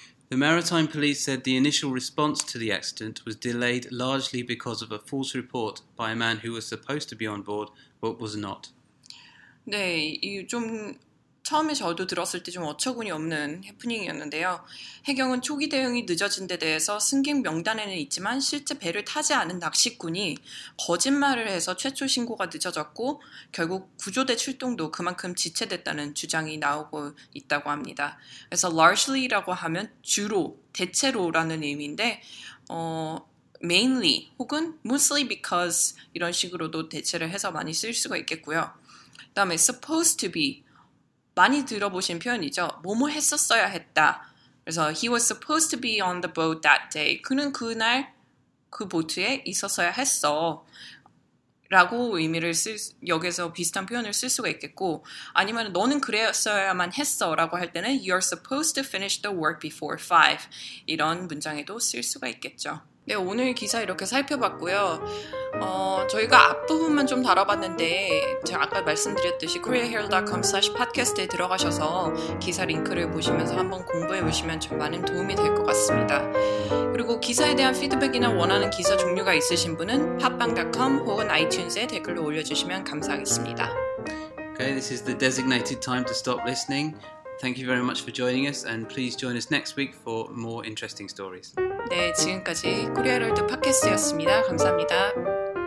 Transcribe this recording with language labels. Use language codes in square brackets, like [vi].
[en] The Maritime Police said the initial response to the accident was delayed largely because of a false report by a man who was supposed to be on board but was not. [ko] 네, 이 좀... 처음에 저도 들었을 때 좀 어처구니 없는 해프닝이었는데요. 해경은 초기 대응이 늦어진 데 대해서 승객 명단에는 있지만 실제 배를 타지 않은 낚시꾼이 거짓말을 해서 최초 신고가 늦어졌고 결국 구조대 출동도 그만큼 지체됐다는 주장이 나오고 있다고 합니다. 그래서 largely라고 하면 주로, 대체로라는 의미인데 mainly 혹은 mostly because 이런 식으로도 대체를 해서 많이 쓸 수가 있겠고요. 그다음에 supposed to be 많이 들어보신 표현이죠. 뭐뭐 했었어야 했다. [en] 그래서 he was supposed to be on the boat that day. [ko] 그는 그날 그 보트에 있었어야 했어. 라고 의미를 여기서 비슷한 표현을 쓸 수가 있겠고 아니면 너는 그랬어야만 했어. 라고 할 때는 [en] you're supposed to finish the work before 5. [ko] 이런 문장에도 쓸 수가 있겠죠. 네, 오늘 기사 이렇게 살펴봤고요. 저희가 앞부분만 좀 다뤄봤는데 제가 아까 말씀드렸듯이 koreaherald.com/podcast에 들어가셔서 기사 링크를 보시면서 한번 공부해보시면 좀 많은 도움이 될 것 같습니다. 그리고 기사에 대한 피드백이나 원하는 기사 종류가 있으신 분은 팟빵.com 혹은 iTunes에 댓글로 올려주시면 감사하겠습니다. [en] Okay, this is the designated time to stop listening. Thank you very much for joining us and please join us next week for more interesting stories. [ko] 네, 지금까지 코리아 헤럴드 팟캐스트였습니다. 감사합니다.